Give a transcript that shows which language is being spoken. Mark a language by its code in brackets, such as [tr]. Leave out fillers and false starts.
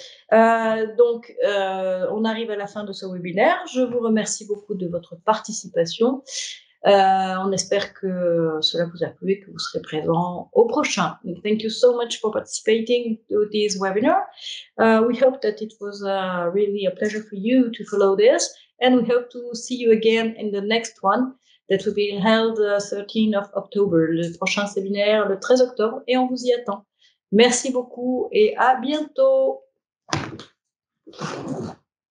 [fr] Donc, on arrive à la fin de ce webinaire. Je vous remercie beaucoup de votre participation. On espère que cela vous a plu et que vous serez présent au prochain. [en] Thank you so much for participating to this webinar. We hope that it was really a pleasure for you to follow this. And we hope to see you again in the next one that will be held the 13th of October. [fr] Le prochain séminaire, le 13 octobre, et on vous y attend. Merci beaucoup et à bientôt.